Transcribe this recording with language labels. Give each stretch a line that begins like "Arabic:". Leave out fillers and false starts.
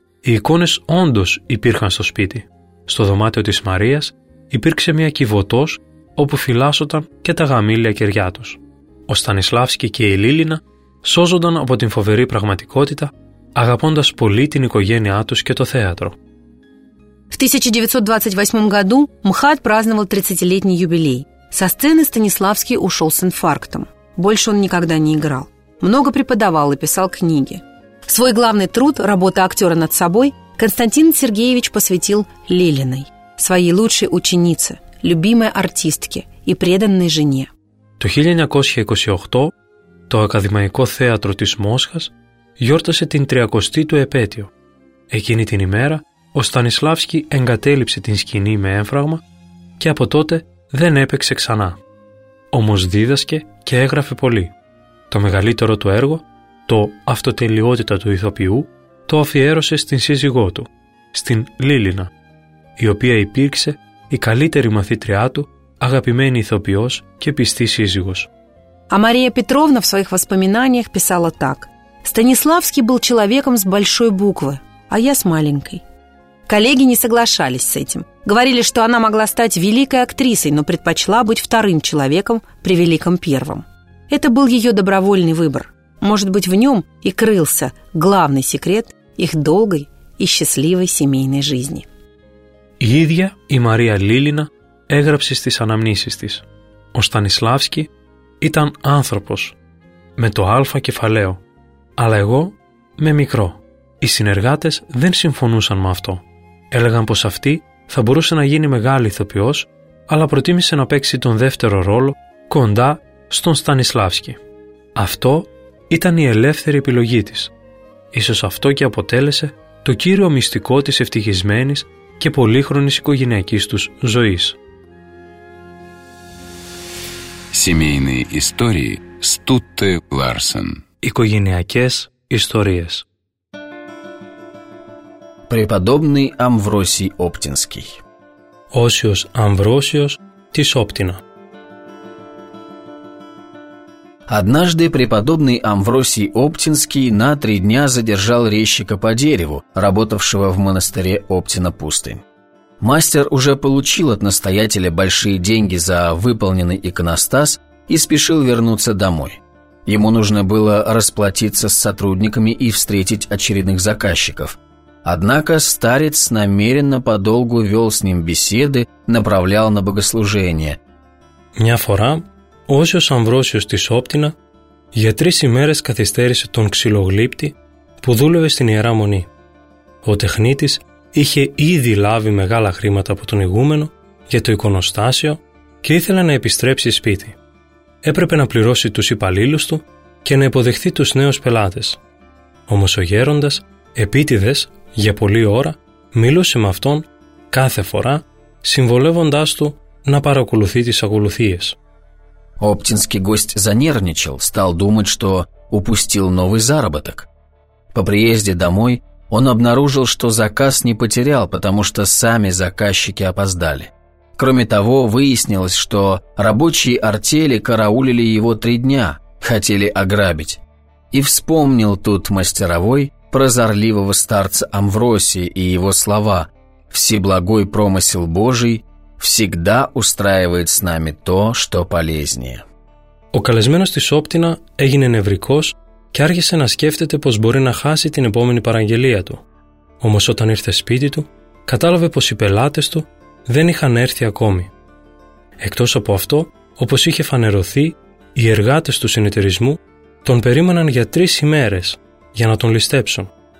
Greek: Οι εικόνες όντως υπήρχαν στο σπίτι. Στο δωμάτιο της Μαρίας υπήρξε μια κυβωτός όπου φυλάσσονταν και τα γαμήλια κεριά τους. Ο Στανισλάφσκι και η Λίλινα σώζονταν από την φοβερή πραγματικότητα, αγαπώντας πολύ την οικογένειά τους και το θέατρο.
Russian: В 1928 году МХАТ праздновал 30-летний юбилей. Со сцены Станиславский ушел с инфарктом. Больше он никогда не играл. Много преподавал и писал книги. Свой главный труд, работа актера над собой, Константин Сергеевич посвятил Лилиной, своей лучшей ученице, любимой артистке и преданной жене.
Greek: Το 1928 το Ακαδημαϊκό Θέατρο της Μόσχας γιόρτασε την 30η του επέτειο. Εκείνη την ημέρα ο Στανισλάφσκι εγκατέλειψε την σκηνή με έμφραγμα και από τότε δεν έπαιξε ξανά. Όμως δίδασκε και έγραφε πολύ. Το μεγαλύτερο του έργο, το «Αυτοτελειότητα του ηθοποιού», το αφιέρωσε στην σύζυγό του, στην Λίλινα, η οποία υπήρξε η καλύτερη μαθήτριά του, αγαπημένη ηθοποιός και πιστή σύζυγος.
Russian: А Мария Петровна в своих воспоминаниях писала так: «Станиславский был человеком с большой буквы, а я с маленькой». Коллеги не соглашались с этим. Говорили, что она могла стать великой актрисой, но предпочла быть вторым человеком при великом первом. Это был ее добровольный выбор. Может быть, в нем и крылся главный секрет их долгой и счастливой семейной жизни.
Greek: Ίδια η Μαρία Λίλινα έγραψε στις αναμνήσεις της: «Ο Στανισλάφσκι ήταν άνθρωπος με το αλφα κεφαλαίο, αλλά εγώ με μικρό. Οι συνεργάτες δεν συμφωνούσαν με αυτό. Έλεγαν πως αυτή θα μπορούσε να γίνει μεγάλη ηθοποιός, αλλά προτίμησε να παίξει τον δεύτερο ρόλο κοντά στον Στανισλάφσκι. Αυτό ήταν η ελεύθερη επιλογή της. Ίσως αυτό και αποτέλεσε το κύριο μυστικό της ευτυχισμένης και πολύχρονης οικογενειακής τους ζωής».
Russian: Семейные истории Стутте Ларсен.
Greek: Οικογενειακές ιστορίες.
Russian: Преподобный Амвросий Оптинский.
Greek: Όσιος Амвросιος της Όπτινα.
Russian: Однажды преподобный Амвросий Оптинский на три дня задержал резчика по дереву, работавшего в монастыре Оптина Пустынь. Мастер уже получил от настоятеля большие деньги за выполненный иконостас и спешил вернуться домой. Ему нужно было расплатиться с сотрудниками и встретить очередных заказчиков. Однако старец намеренно подолгу вел с ним беседы, направлял на богослужение.
Greek: Мня фора, Осиос Амвросиус тис Оптина, για 3 ημέρες καθυστέρησε τον ξυλογλύπτη που δούλευε στην Ιερά Μονή. Ο τεχνίτης είχε ήδη λάβει μεγάλα χρήματα από τον ηγούμενο για το εικονοστάσιο και ήθελε να επιστρέψει σπίτι. Έπρεπε να πληρώσει τους υπαλλήλους του και να υποδεχθεί τους νέους πελάτες. Όμως ο γέροντας, επίτηδες, για πολλή ώρα, μίλωσε με αυτόν κάθε φορά, συμβολεύοντάς του να παρακολουθεί τις ακολουθίες.
Russian: Оптинский гость занервничал, стал думать, что упустил новый заработок. По приезде домой он обнаружил, что заказ не потерял, потому что сами заказчики опоздали. Кроме того, выяснилось, что рабочие артели караулили его 3 дня, хотели ограбить. И вспомнил тут мастеровой прозорливого старца Амвросия и его слова: «Всеблагой промысел Божий всегда устраивает с нами то, что полезнее».
Greek: Ο καλεσμένος της Όπτινα έγινε νευρικός και άρχισε να σκέφτεται πως μπορεί να χάσει την επόμενη παραγγελία του. Όμως όταν ήρθε σπίτι του, κατάλαβε πως οι πελάτες του δεν είχαν έρθει ακόμη. Εκτός από αυτό, όπως είχε φανερωθεί, οι εργάτες του συνεταιρισμού τον περίμεναν για 3 ημέρες για να τον ληστέψουν.